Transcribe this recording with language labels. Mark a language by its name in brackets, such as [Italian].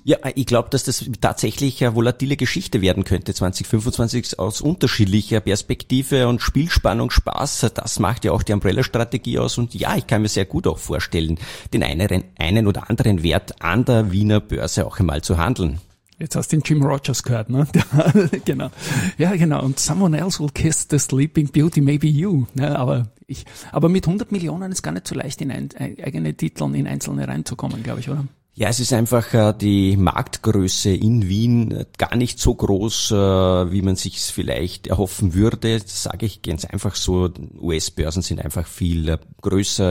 [German] Ja, ich glaube, dass das tatsächlich eine volatile Geschichte werden könnte, 2025 aus unterschiedlicher Perspektive und Spielspannung, Spaß, das macht ja auch die Umbrella-Strategie aus und ja, ich kann mir sehr gut auch vorstellen, den einen oder anderen Wert an der Wiener Börse auch einmal zu handeln. Jetzt hast du den Jim Rogers gehört, ne? Genau. Ja, genau. [English] Und someone else will kiss the sleeping beauty, maybe you. [German] Ja, aber mit 100 Millionen ist gar nicht so leicht, in eigene Titel in einzelne reinzukommen, glaube ich, oder? Ja, es ist einfach die Marktgröße in Wien gar nicht so groß, wie man sich es vielleicht erhoffen würde. Das sage ich ganz einfach so. US-Börsen sind einfach viel größer.